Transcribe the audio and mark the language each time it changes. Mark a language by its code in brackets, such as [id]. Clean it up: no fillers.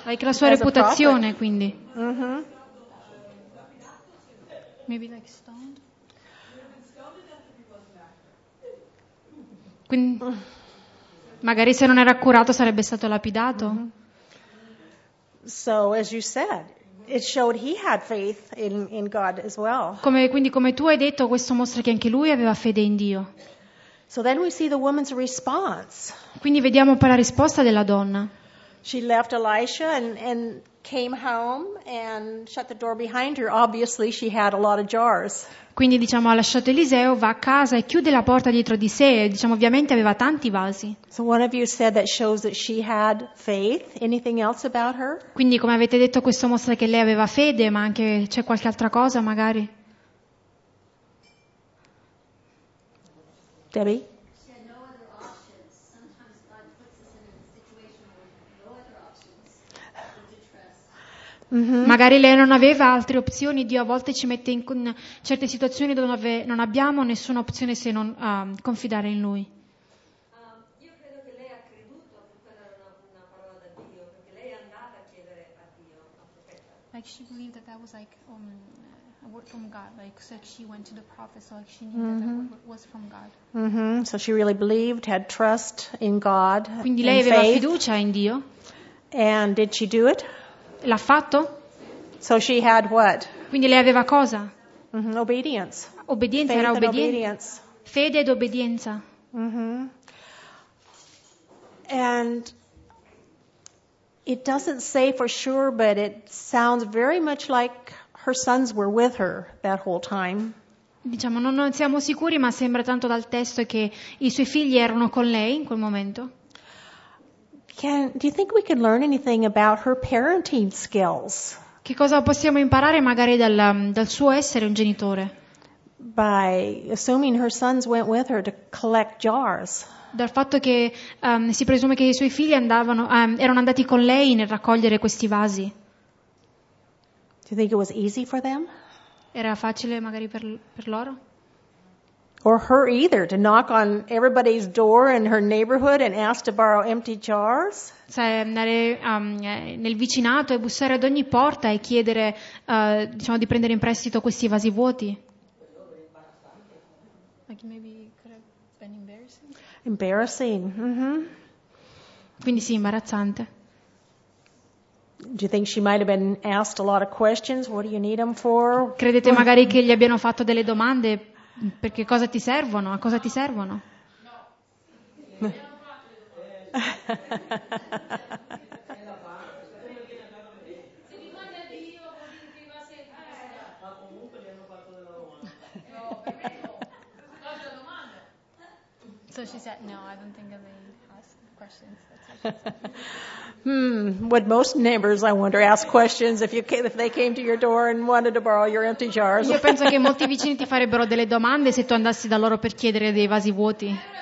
[it] Like la sua reputazione, quindi. Mm-hmm. [en] Maybe like stoned. [it] Quindi, magari se non era accurato sarebbe stato lapidato. Mm-hmm. [en] So as you said, it showed he had faith in God as well. [it] Come tu hai detto, questo mostra che anche lui aveva fede in Dio. [en] So then we see the woman's response. [it] Quindi vediamo poi la risposta della donna. [en] She left Elisha and came home and shut the door behind her. Obviously she had a lot of jars. [it] Quindi diciamo ha lasciato Eliseo, va a casa e chiude la porta dietro di sé, diciamo ovviamente aveva tanti vasi. [en] So one of you said that shows that she had faith. Anything else about her? [it] Quindi come avete detto questo mostra che lei aveva fede, ma anche c'è qualche altra cosa magari? [en] Debbie? Mm-hmm. [it] Magari lei non aveva altre opzioni. Dio a volte ci mette in certe situazioni dove non abbiamo nessuna opzione se non confidare in Lui. Io credo che lei ha creduto a tutta una parola da Dio, perché lei è andata a chiedere a Dio, a profeta. [en] Like she believed that was like a word from God, like so she went to the prophet, so like she knew mm-hmm. that was from God. Mm-hmm. So she really believed, had trust in God. [it] Quindi lei aveva fiducia in Dio. [en] And did she do it? [it] L'ha fatto? [en] So she had what? [it] Quindi lei aveva cosa? [en] Mm-hmm. Obedience. [it] Obbedienza, [en] faith [it] era obbedienza. Fede ed obbedienza. Mm-hmm. [en] And it doesn't say for sure, but it sounds very much like her sons were with her that whole time. [it] Diciamo, non siamo sicuri, ma sembra tanto dal testo che i suoi figli erano con lei in quel momento. [en] Do you think we could learn anything about her parenting skills? [it] Che cosa possiamo imparare magari dal suo essere un genitore? [en] By assuming her sons went with her to collect jars. [it] Dal fatto che si presume che i suoi figli erano andati con lei nel raccogliere questi vasi. [en] Do you think it was easy for them? [it] Era facile magari per loro? [en] Or her either, to knock on everybody's door in her neighborhood and ask to borrow empty jars? [it] Cioè andare nel vicinato e bussare ad ogni porta e chiedere, diciamo, di prendere in prestito questi vasi vuoti? [en] Like maybe it could have been embarrassing? Embarrassing, mm-hmm. [it] Quindi sì, imbarazzante. [en] Do you think she might have been asked a lot of questions? What do you need them for? [it] Credete magari che gli abbiano fatto delle domande? Perché cosa ti servono? A cosa ti servono? [en] So she said, no, I don't think they ask questions. Would most neighbors, I wonder, ask questions if they came to your door and wanted to borrow your empty jars? [it] Io penso che molti vicini ti farebbero delle domande se tu andassi da loro per chiedere dei vasi vuoti.